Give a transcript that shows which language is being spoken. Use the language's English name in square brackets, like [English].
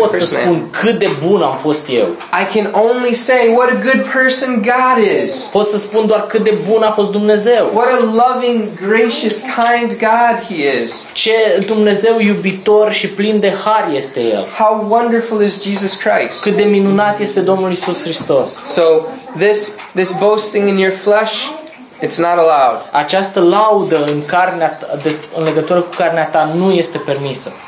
[Romanian] Nu pot să spun cât de bun am fost eu. [English] I can only say what a good person God is. [Romanian] Pot să spun doar cât de bun a fost Dumnezeu. [English] What a loving, gracious, kind God he is. [Romanian] Ce Dumnezeu iubitor și plin de har este el. [English] How wonderful is Jesus Christ. [Romanian] Cât de minunat este Domnul Iisus Hristos. [English] So this boasting in your flesh, it's not allowed. [Romanian] Această laudă în carnea ta, în legătură cu carnea ta, nu este permisă.